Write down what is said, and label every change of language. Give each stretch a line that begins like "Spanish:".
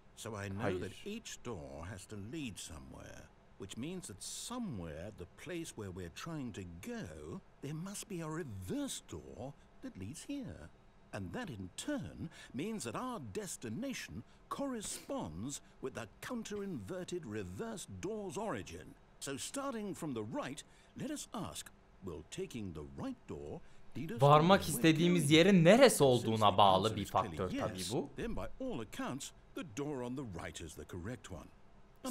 English: So I know that each door has to lead somewhere, which means that somewhere the place where we're trying to go, there must be a reverse door that leads here. And that in turn means that our destination corresponds with the counter-inverted reverse door's origin. So starting from the right, let us ask, will taking the right door lead us?
Turkish: Varmak istediğimiz yerin neresi olduğuna bağlı bir faktör tabii bu.
English: Then by all accounts, the door on the right is the correct one.